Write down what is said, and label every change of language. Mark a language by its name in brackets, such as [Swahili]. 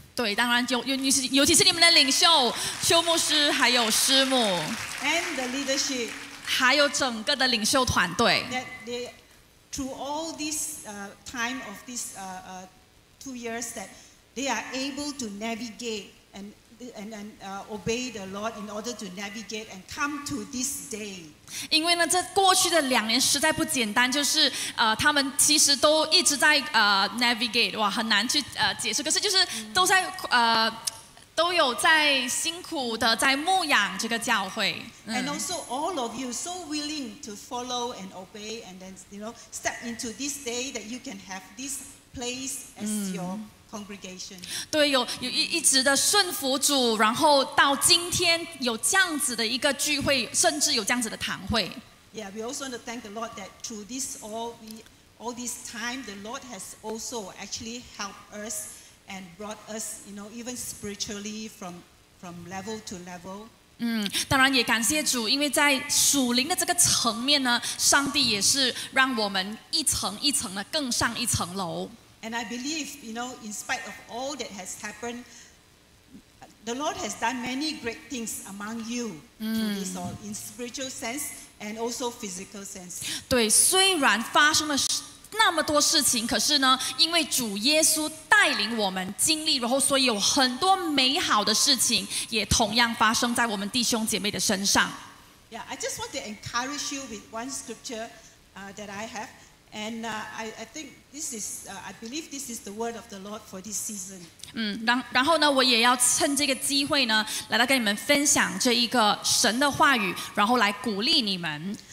[Chinese] 对，当然尤其是你们的领袖邱牧师还有师母。 [English] And the leadership. [Chinese] 还有整个的领袖团队。 [English] That they, through all this time of this two years, that they are able to navigate and obey the Lord in order to navigate and come to this day. [Chinese] 因为呢，这过去的两年实在不简单，就是他们其实都一直在navigate， 哇，很难去解释。可是就是都在都有在辛苦的在牧养这个教会。 [English] And also all of you so willing to follow and obey and then you know step into this day that you can have this place as your. [Chinese] 对，有一直的顺服主，然后到今天有这样子的一个聚会，甚至有这样子的堂会。 [English] Yeah, we also want to thank the Lord that through this all this time, the Lord has also actually helped us and brought us, you know, even spiritually from level to level. [Chinese] 当然也感谢主，因为在属灵的这个层面呢，上帝也是让我们一层一层的更上一层楼。 [English] And I believe, you know, in spite of all that has happened, the Lord has done many great things among you through this all, in spiritual sense and also physical sense. [Chinese] 对，虽然发生了那么多事情，可是呢，因为主耶稣带领我们经历，然后所以有很多美好的事情也同样发生在我们弟兄姐妹的身上。 [English] Yeah, I just want to encourage you with one scripture that I have. And I think this is, I believe this is the word of the Lord for this season. [Chinese] 然后呢，我也要趁这个机会呢，来到跟你们分享这一个神的话语，然后来鼓励你们。